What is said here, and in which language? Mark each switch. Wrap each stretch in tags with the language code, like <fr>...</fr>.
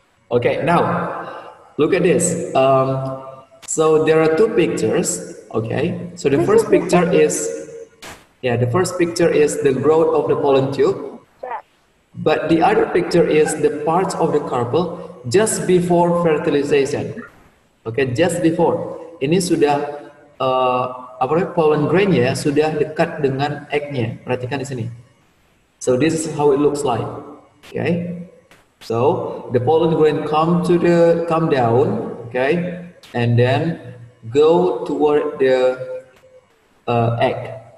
<en>Okay, now look at this. So there are two pictures. Okay, so the first picture is, yeah, the first picture is the growth of the pollen tube. But the other picture is the parts of the carpel just before fertilization. Okay, just before.</en> <id>Ini sudah pollen grainnya sudah dekat dengan eggnya. Perhatikan di sini.</id> <en>So this is how it looks like. Okay. So the pollen grain come down, okay, and then go toward the egg.</en>